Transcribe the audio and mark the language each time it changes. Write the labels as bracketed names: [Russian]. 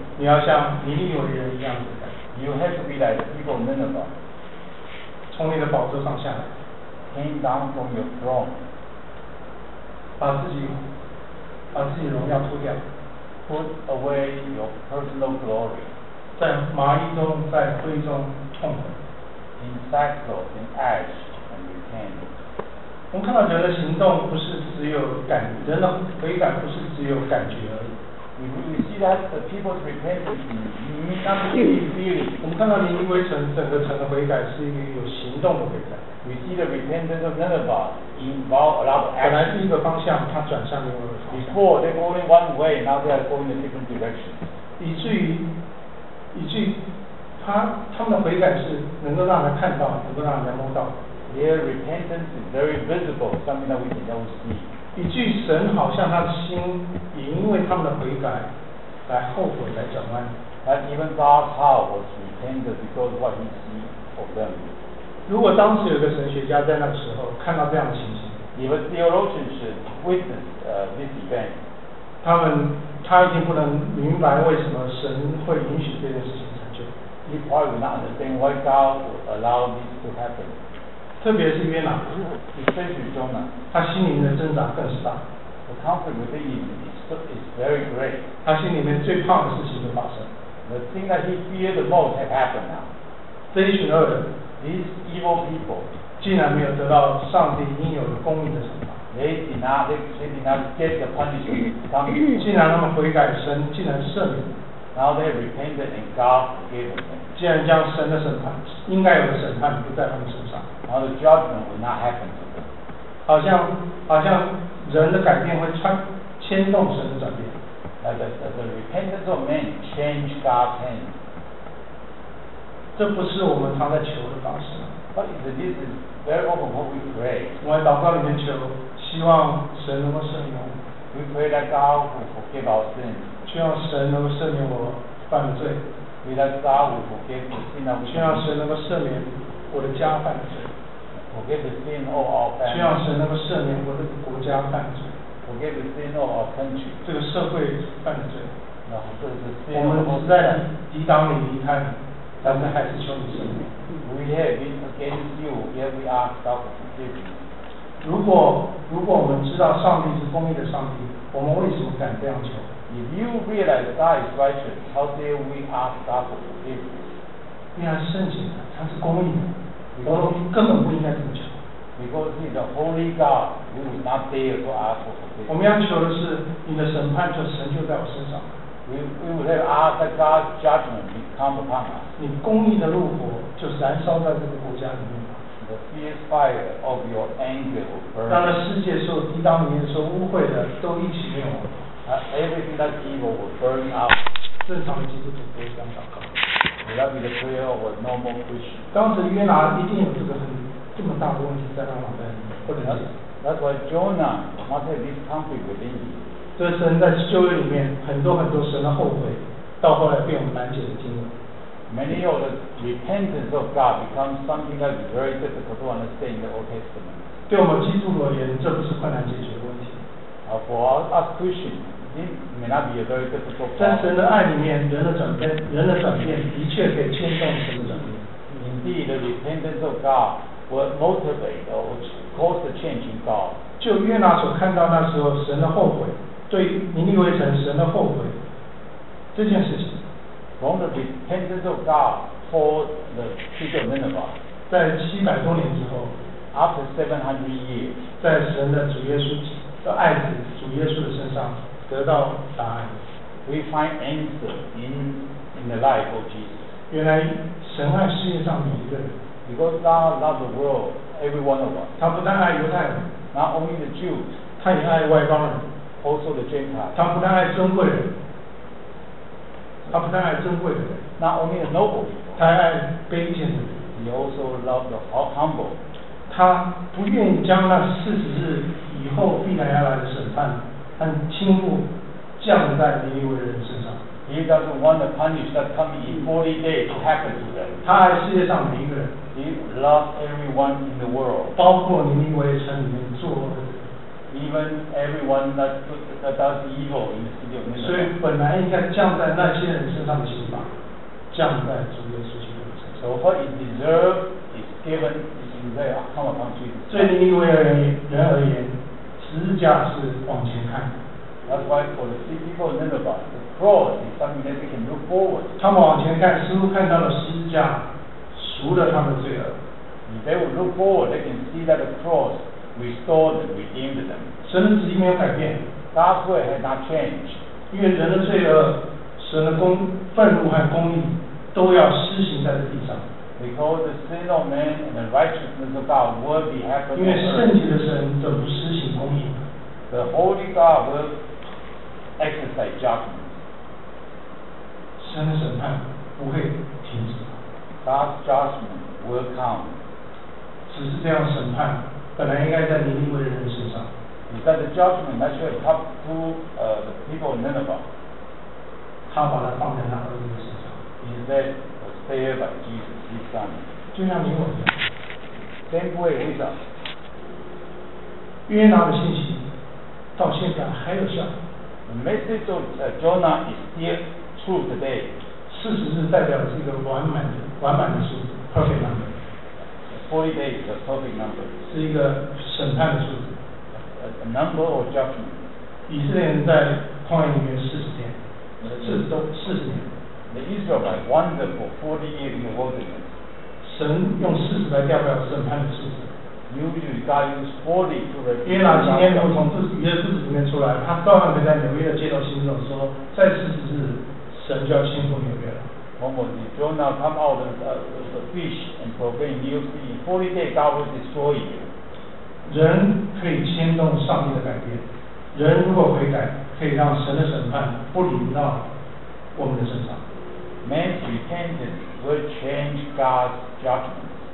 [Chinese] 你要像尼尼微人一样悔改， [English] You have to be like people in Nineveh. [Chinese] 从你的宝座上下来， [English] Came down from your throne. [Chinese] 把自己荣耀脱掉， [English] put away your personal glory， [Chinese] 在麻衣中，在灰中痛悔， [English] in sackcloth, in ash, and repent。 [Chinese] 我们看到人的行动不是只有感觉，人的悔改不是只有感觉而已。 [English] We see that the people's repentance is not only feeling。 [Chinese] 我们看到尼微整个城的悔改是一个有行动的悔改。 [English] We see the repentance of Nineveh involve a lot of action。 [Chinese] 本来是一个方向，它转向另外一个。 [English] Before they go in one way, now they are going in a different direction. [Chinese] 以至于他们的悔改是能够让人看到，能够让人摸到。 [English] Their repentance is very visible, something that we can never see. [Chinese] 以至于神好像他的心也因为他们的悔改来后悔，来转弯。 [English] But even God's heart was repented because of what he see of them. [Chinese] 如果当时有个神学家在那个时候看到这样的情形， [English] if a theologian should witness this event， [Chinese] 他已经不能明白为什么神会允许这件事情成就。 [English] He probably would not understand why God would allow this to happen。 [Chinese] 特别是约拿， [English] especially Jonah， [Chinese] 他心里面的挣扎更是大。 [English] The conflict within him is very great。 [Chinese] 他心里面最怕的事情就发生。 [English] The thing that he feared the most has happened now。 [Chinese] 这一群恶人 [English] ，these evil people， [Chinese] 竟然没有得到上帝应有的公义的惩罚。 [English] They did not get the punishment. [Chinese] 既然他们悔改，神竟然赦免。 [English] Now they repented and God forgave them. [Chinese] 既然将神的审判，应该有的审判不在他们身上。 [English] Now the judgment will not happen to them. [Chinese] 好像人的改变会牵动神的转变。 [English] Like the repentance of man changed God's hand. [Chinese] 这不是我们常在求的方式。 [English] But this is very often what we pray. [Chinese] 我们祷告里面求，希望神能够赦免我。 [English] We pray that God will forgive our sins. [Chinese] 希望神能够赦免我犯的罪。 [English] We pray that God will forgive the sin of. [Chinese] 希望神能够赦免我的家犯的罪。 [English] Forgive the sin of our family. [Chinese] 希望神能够赦免我的国家犯的罪。 [English] Forgive the sin of our country. [Chinese] 这个社会犯的罪。然后这是我们实在的抵挡你离开你，但是还是求你赦免。 [English] We have been against you, yet we ask God to forgive you. [Chinese] 如果我们知道上帝是公义的上帝，我们为什么敢这样求？ [English] If you realize God is righteous, how dare we ask God to forgive you? [Chinese] 因为他是圣洁的，他是公义的，我们根本不应该这么求。 [English] Because he's a holy God, we will not dare to ask for forgiveness. [Chinese] 我们要求的是你的审判，就神就在我身上。 [English] We would have asked that God's judgment come upon us. [Chinese] 你公义的怒火就燃烧在这个国家里面。 [English] The fierce fire of your anger will burn. [Chinese] 当世界受抵挡你的时候，污秽的都一起灭亡。 [English] Everything that evil will burn out. [Chinese] 正常的基督徒不会这样祷告。 [English] Will that be the prayer of a normal Christian? [Chinese] 当时约拿一定有这么大的问题在他脑袋里面，或者是。 [English] That's why Jonah must have this conflict within him. [Chinese] 这神在旧约里面很多很多神的后悔，到后来被我们拦截的经文。 [English] Many of the repentance of God becomes something that is very difficult to understand in the Old Testament. [Chinese] 对我们基督徒而言，这不是困难解决的问题。 [English] For us Christians, it may not be a very difficult problem. [Chinese] 在神的爱里面，人的转变的确可以牵动神的转变。 [English] Indeed, the repentance of God will motivate or cause the change in God. [Chinese] 就约拿所看到那时候神的后悔。对尼尼微城神的后悔这件事情 [English] from the repentance of God for the city of Nineveh [Chinese] 在700多年之后 [English] after 700 years [Chinese] 在神的主耶稣的爱子主耶稣的身上得到答案 [English] we find answer in the life of Jesus [Chinese] 原来神爱世界上每一个人 [English] because God loves the world every one of us [Chinese] 他不但爱犹太人 [English] not only the Jews [Chinese] 他也爱外邦人 [English] Also the Gentiles. [Chinese] 他不但爱尊贵人，他不但爱尊贵的人 [English] ，not only the noble， [Chinese] 他爱卑贱的人。 [English] He also loved the humble. [Chinese] 他不愿意将那四十日以后必然要来的审判和轻怒降在尼尼微人身上。 [English] He doesn't want the punishment that comes in 40 days to happen to them. [Chinese] 他爱世界上每一个人。 [English] He loves everyone in the world. [Chinese] 包括尼尼微城里面作恶的人。 [English] Even everyone that does evil in the city of Nineveh. [Chinese] 所以本来应该降在那些人身上的刑罚，降在主耶稣基督身上。 [English] So what is deserved is given in the come upon Jesus. [Chinese] 对尼尼微人而言，十字架是往前看。 [English] That's why for the city of Nineveh, the cross is something that we can look forward. [Chinese] 他们往前看，似乎看到了十字架，赎了他们的罪恶。 [English] If they would look forward, they can see that the cross. Restored and redeemed them. [Chinese] 神的旨意没有改变 [English] God's way has not changed. [Chinese] 因为人的罪恶，神的愤怒和公义都要施行在这地上。 [English] Because the sin of man and the righteousness of God will be happening. [Chinese] 因为圣洁的神怎么施行公义？ [English] The holy God will exercise judgment. [Chinese] 神的审判不会停止。 [English] God's judgment will come. [Chinese] 只是这样审判。本来应该在尼尼微人身上。 [English] He said the judgment that should come to the people of Nineveh. [Chinese] 他把它放在他儿子的身上。 [English] He said it was spared by Jesus, his son. [Chinese] 就像你我一样。 [English] Same way with us. [Chinese] 约拿的信息到现在还有效。 [English] The message of Jonah is still true today. [Chinese] 四十日代表是一个完满的数字 ， [English] perfect number。 40 days is a perfect number. [Chinese] 是一个审判的数字。 [English] A number or judgment. [Chinese] 以色列人在旷野里面40天，40年。 [English] The Israelites wandered for 40 years in the wilderness. [Chinese] 神用40来代表审判的数字。 [English] Usually God uses 40 to represent. [Chinese] 因为老今天我从自己的肚子里面出来，他照样可以在纽约的街头行走，说再40日，神就要侵入纽约了。 [English] Almost Jonah come out of the fish and proclaim new sea. 40 days God will destroy you. [Chinese] 人可以牵动上帝的改变。人如果悔改，可以让神的审判不临到我们的身上。 [English] man's repentance will change God's judgment.